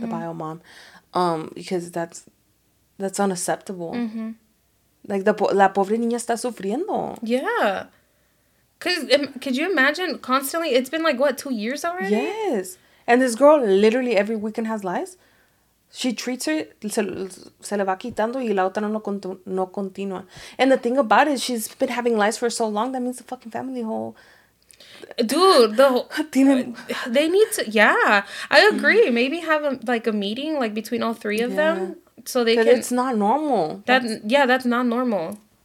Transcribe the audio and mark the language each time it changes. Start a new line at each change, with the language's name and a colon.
English: the bio mom, because that's unacceptable. Mm-hmm.
Spanish: Like, la pobre niña está sufriendo.
English: Yeah. Could you imagine constantly? It's been, like, what, 2 years already? Yes. And this girl, literally every weekend has lies.
Spanish: She treats her, se le va quitando y la otra no continúa.
English: And the thing about it, she's been having lies for so long, that means the fucking family whole... Dude, they need to, yeah, I agree. Maybe have a meeting, like, between all three of them, so they can... It's not normal. That's not normal.